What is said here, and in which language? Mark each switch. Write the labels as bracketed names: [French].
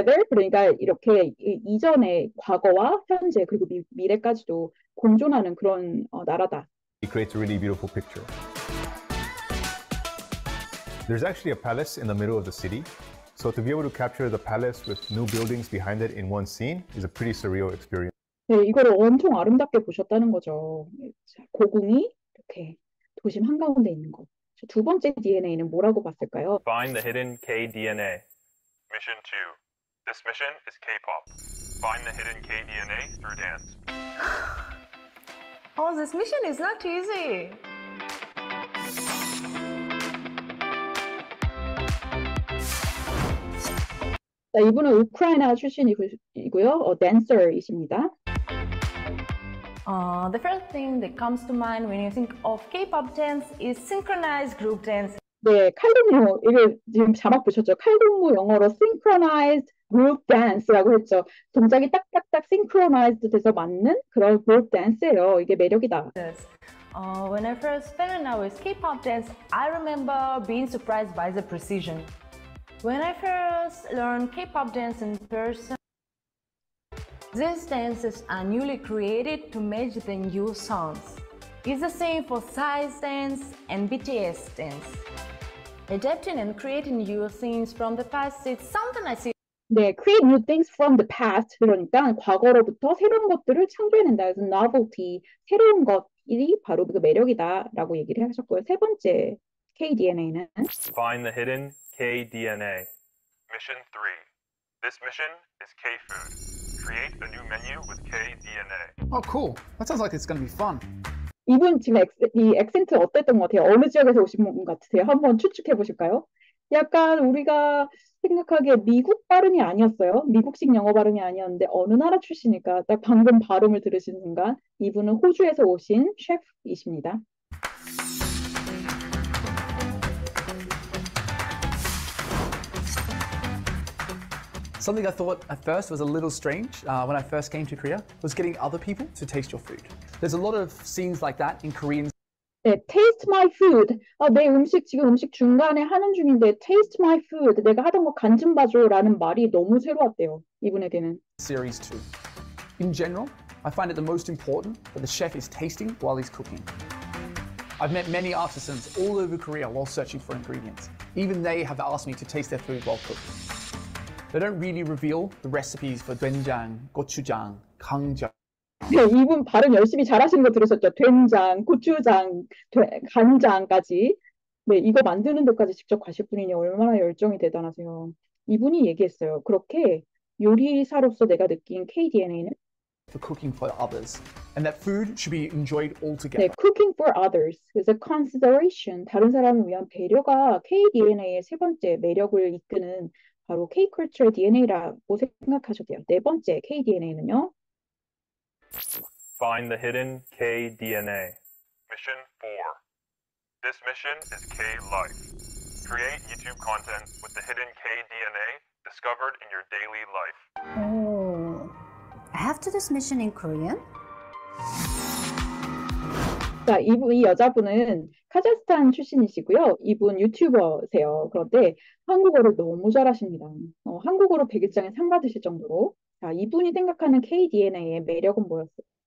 [Korean] 그러니까 이렇게 이전의 과거와 현재 그리고 미래까지도 공존하는 그런 나라다. [English] It creates a really beautiful picture. There's actually a palace in the middle of the city. So to be able to capture the palace with new buildings behind it in one scene is a pretty surreal experience. [Korean] 네, 이거를 엄청 아름답게 보셨다는 거죠. 고궁이 이렇게 도심 한가운데 있는 거. 두 번째 DNA는 뭐라고 봤을까요? [English] Find the hidden KDNA. Mission 2. This mission is K-pop. Find the hidden KDNA through dance. Oh, this mission is not easy. [Korean] 자, 이분은 우크라이나 출신이고요. 댄서이십니다. [English] The first thing that comes to mind when you think of K-pop dance is synchronized group dance. [Korean] 네, 칼동무 이게 지금 자막 보셨죠? 칼동무 영어로 [English] synchronized group dance [Korean] 라고 했죠. 동작이 딱딱딱 synchronized 돼서 맞는 그런 group dance예요. 이게 매력이다. [English] When I first fell in love with K-pop dance, I remember being surprised by the precision. When I first learned K-pop dance in person, these dances are newly created to match the new songs. It's the same for PSY dance and BTS dance. Adapting and creating new things from the past is something I see. 네, create new things from the past. [Korean] 그러니까 과거로부터 새로운 것들을 창조해낸다. [English] It's a novelty. [Korean] 새로운 것. 이 바로 그 매력이다라고 얘기를 하셨고요. 세 번째 KDNA는 [English] Find the hidden KDNA. Mission 3. This mission is K-food. Create a new menu with KDNA. Oh, cool. That sounds like it's going to be fun. [Korean] 이분 지금 이 액센트 어땠던 것 같아요? 어느 지역에서 오신 분 같으세요? 한번 추측해 보실까요? 약간 우리가 생각하기에 미국 발음이 아니었어요. 미국식 영어 발음이 아니었는데 어느 나라 출신일까? 딱 방금 발음을 들으신 순간 이분은 호주에서 오신 셰프이십니다. [English] Something I thought at first was a little strange when I first came to Korea was getting other people to taste your food. There's a lot of scenes like that in Korean. 네, taste my food. [Korean] 아, 내 음식 지금 음식 중간에 하는 중인데 [English] taste my food. [Korean] 내가 하던 거 간 좀 봐줘라는 말이 너무 새로웠대요. 이분에게는. [English] Series 2. In general, I find it the most important that the chef is tasting while he's cooking. I've met many artisans all over Korea while searching for ingredients. Even they have asked me to taste their food while cooking. They don't really reveal the recipes for doenjang, gochujang, gangjang. [Korean] 네, 이분 발음 열심히 잘하시는 거 들으셨죠? 된장, 고추장, 간장까지. 네, 이거 만드는 데까지 직접 가실 분이니 얼마나 열정이 대단하세요. 이분이 얘기했어요. 그렇게 요리사로서 내가 느낀 KDNA는 [English] For cooking for others. And that food should be enjoyed altogether. 네, cooking for others is a consideration. [Korean] 다른 사람을 위한 배려가 KDNA의 세 번째 매력을 이끄는 바로 K-culture DNA라고 생각하셔도 돼요. 네 번째 KDNA는요. [English] Find the hidden KDNA. Mission 4. This mission is K-Life. Create YouTube content with the hidden KDNA discovered in your daily life. Oh, after this mission in Korean? [Korean] 자, 이 여자분은 카자흐스탄 출신이시고요. 이분 유튜버세요. 그런데 한국어를 너무 잘하십니다. 한국어로 101장에 상 받으실 정도로. 자, 이분이 생각하는 KDNA의 매력은 뭐였어요?